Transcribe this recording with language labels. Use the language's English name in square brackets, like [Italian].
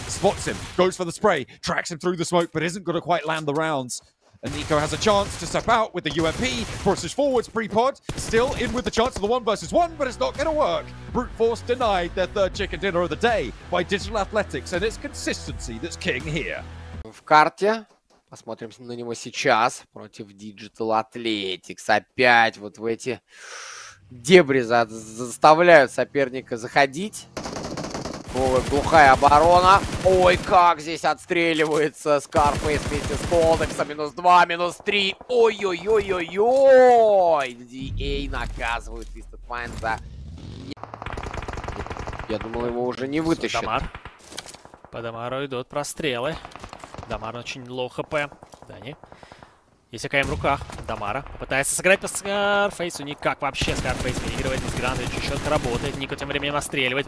[English] Spots him, goes for the spray, tracks him through the smoke, but isn't going to quite land the rounds. And Nico has a chance to step out with the UMP. Pushes forwards, Prepod. Still in with the chance of the 1v1, but it's not going to work. Brute Force denied their third chicken dinner of the day by Digital Athletics, and it's consistency that's king here. [Russian] В карте. Посмотрим на него сейчас против Digital Athletics. Опять вот в эти дебри заставляют соперника заходить. Ой, глухая оборона. Ой, как здесь отстреливается Scarface вместе с Колдексом. Минус 2, минус 3. Ой-ой-ой-ой-ой. DA наказывают Twisted Mind за... Я думал, его уже не вытащат. Дамар. По Дамару идут прострелы. Дамар очень лоу хп. Да, не. Есть АКМ в руках. Дамара пытается сыграть по Scarface. Никак вообще Scarface выигрывает. Из Грандовича четко работает. Нико тем временем настреливает.